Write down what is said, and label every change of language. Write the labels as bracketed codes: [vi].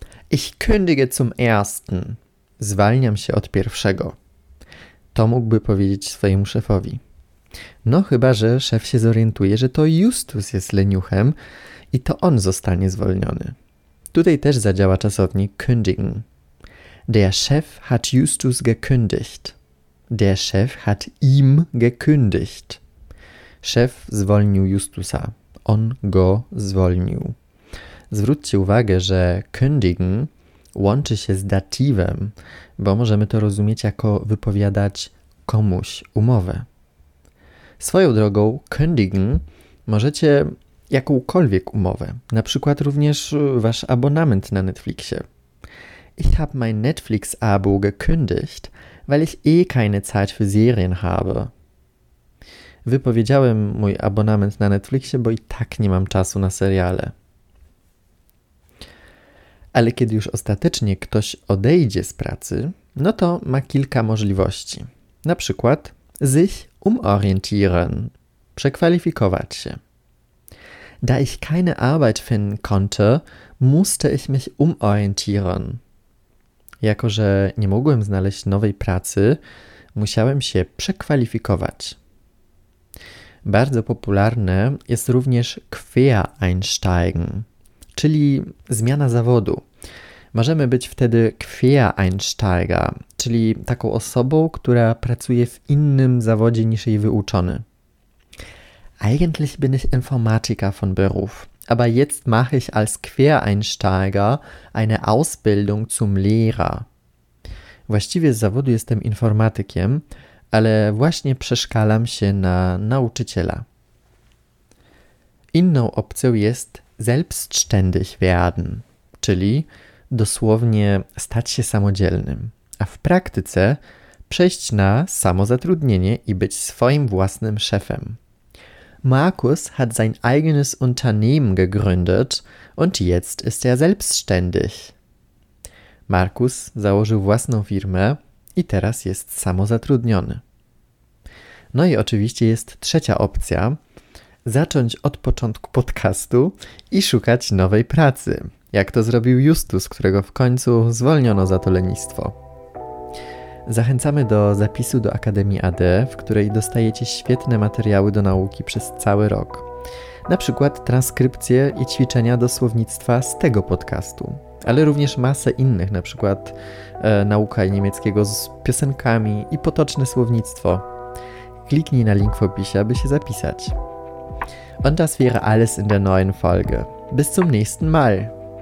[de] Ich kündige zum ersten. [pl] Zwalniam się od pierwszego. To mógłby powiedzieć swojemu szefowi. No chyba, że szef się zorientuje, że to Justus jest leniuchem i to on zostanie zwolniony. Tutaj też zadziała czasownik kündigen. [de] Der Chef hat Justus gekündigt. Der Chef hat ihm gekündigt. [pl] Szef zwolnił Justusa. On go zwolnił. Zwróćcie uwagę, że kündigen łączy się z datywem, bo możemy to rozumieć jako wypowiadać komuś umowę. Swoją drogą kündigen możecie jakąkolwiek umowę, na przykład również wasz abonament na Netflixie. [de] Ich habe mein Netflix-Abo gekündigt, weil ich eh keine Zeit für Serien habe. [pl] Wypowiedziałem mój abonament na Netflixie, bo i tak nie mam czasu na seriale. Ale kiedy już ostatecznie ktoś odejdzie z pracy, no to ma kilka możliwości. Na przykład sich umorientieren, przekwalifikować się. [de] Da ich keine Arbeit finden konnte, musste ich mich umorientieren. [pl] Jako, że nie mogłem znaleźć nowej pracy, musiałem się przekwalifikować. Bardzo popularne jest również Quereinsteigen, czyli zmiana zawodu. Możemy być wtedy Quereinsteiger, czyli taką osobą, która pracuje w innym zawodzie niż jej wyuczony. [de] Eigentlich bin ich Informatiker von Beruf, aber jetzt mache ich als Quereinsteiger eine Ausbildung zum Lehrer. [pl] Właściwie z zawodu jestem informatykiem, ale właśnie przeszkalam się na nauczyciela. Inną opcją jest selbstständig werden, czyli dosłownie stać się samodzielnym, a w praktyce przejść na samozatrudnienie i być swoim własnym szefem. [de] Markus hat sein eigenes Unternehmen gegründet und jetzt ist er selbstständig. [pl] Markus założył własną firmę i teraz jest samozatrudniony. No i oczywiście jest trzecia opcja. Zacząć od początku podcastu i szukać nowej pracy. Jak to zrobił Justus, którego w końcu zwolniono za to lenistwo. Zachęcamy do zapisu do Akademii AD, w której dostajecie świetne materiały do nauki przez cały rok. Na przykład transkrypcje i ćwiczenia do słownictwa z tego podcastu. Ale również masę innych, na przykład nauka niemieckiego z piosenkami i potoczne słownictwo. Kliknij na link w opisie, aby się zapisać. [de] Und das wäre alles in der neuen Folge. Bis zum nächsten Mal!